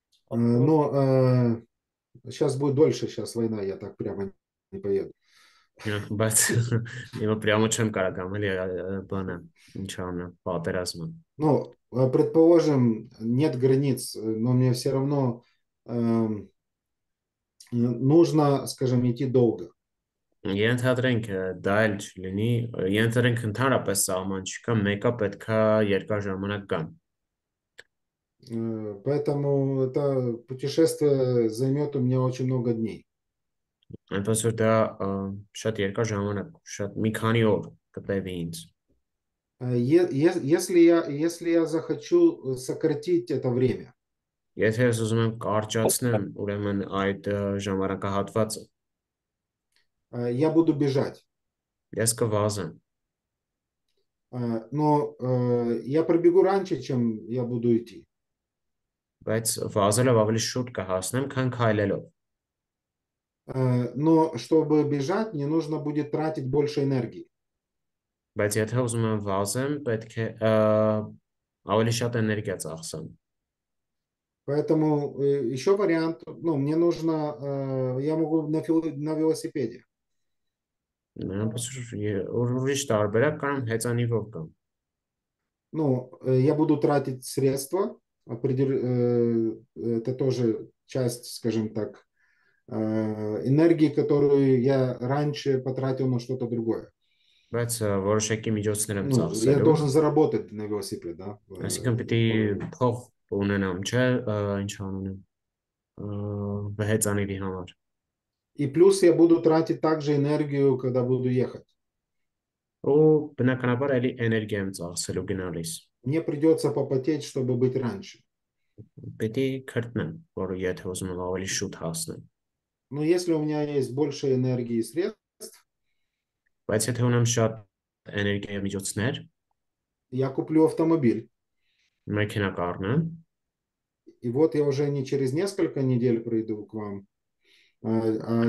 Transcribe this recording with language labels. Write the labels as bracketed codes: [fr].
[ru] Но сейчас будет дольше, сейчас война, я так прямо не поеду. Ему прямо чем карагам, или бана, ничего, по операциям. Ну, предположим, нет границ, но мне все равно нужно, скажем, идти долго. [hy] Ենթադրենք դայլջ լինի, ենթադրենք ընդհանրապես սահման չկա, մեկը պետք է երկար ժամանակ գա։ [ru] Поэтому это путешествие займет у меня очень много дней. [hy] Այնպես որ դա շատ երկար ժամանակ, շատ մի քանի օր կտևի ինձ։ [ru] Если я захочу сократить это время. [hy] Եթե ես ուզում եմ կարճացնեմ, ուրեմն այդ ժամանակահատվածը, [ru] Я буду бежать. [hy] Ես կվազեմ։ [ru] Но я пробегу раньше, чем я буду идти. [hy] Բայց վազելով ավելի շուտ կհասնեմ, քան քայլելով։ [ru] Но чтобы бежать, мне нужно будет тратить больше энергии. [hy] Բայց եթե ուզում եմ վազեմ, պետք է ավելի շատ էներգիա ծախսեմ։ [ru] Поэтому еще вариант, ну, мне нужно, я могу на велосипеде. [hy] Ուրիշ տարբերակ կան հեծանիվով կան։ [ru] Ну, я буду тратить средства, это тоже часть, скажем так, энергии, которую я раньше потратил на что-то другое. [hy] Բայց որոշակի միջոցներ եմ [ru] Ну, я должен [hy] ծախսելու։ [ru] заработать на велосипед, да? [hy] Այսինքն պիտի փող ունենամ, չէ՞, ինչ անունը։ Հեծանիվի համար։ [ru] И плюс я буду тратить также энергию, когда буду ехать. [hy] Ու բնականաբար էլի էներգիա եմ ծախսելու գնալիս։ [ru] Мне придется попотеть, чтобы быть раньше. [hy] Պետք է քրտնեմ, որ եթե ուզում եմ ավելի շուտ հասնեմ։ [ru] Но если у меня есть больше энергии и средств, [hy] Բայց եթե ունեմ շատ էներգիա եւ միջոցներ, [ru] я куплю автомобиль. [hy] մեքենա կառնեմ։ [ru] И вот я уже не через несколько недель приду к вам, а